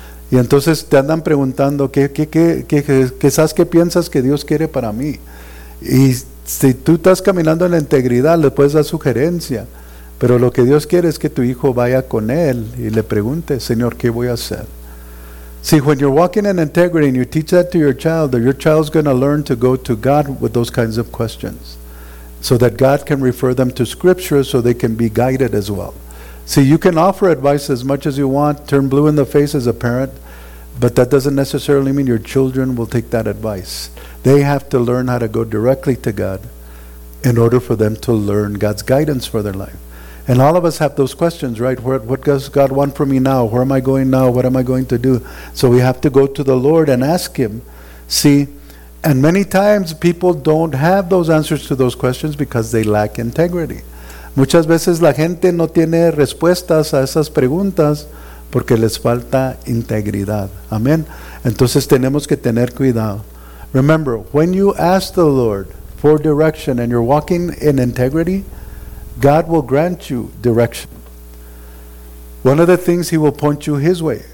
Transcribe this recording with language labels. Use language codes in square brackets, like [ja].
[es] Y entonces te andan preguntando, ¿qué piensas que Dios quiere para mí? Y si tú estás caminando en la integridad, le puedes dar sugerencia. Pero lo que Dios quiere es que tu hijo vaya con él y le pregunte, Señor, ¿qué voy a hacer? [en] See, when you're walking in integrity and you teach that to your child, your child's going to learn to go to God with those kinds of questions, so that God can refer them to Scripture so they can be guided as well. See, you can offer advice as much as you want, turn blue in the face as a parent, but that doesn't necessarily mean your children will take that advice. They have to learn how to go directly to God in order for them to learn God's guidance for their life. And all of us have those questions, right? What does God want from me now? Where am I going now? What am I going to do? So we have to go to the Lord and ask Him. See, and many times people don't have those answers to those questions because they lack integrity. [es] Muchas veces la gente no tiene respuestas a esas preguntas porque les falta integridad. Amen. Entonces tenemos que tener cuidado. [en] Remember, when you ask the Lord for direction and you're walking in integrity, God will grant you direction. One of the things, He will point you His way.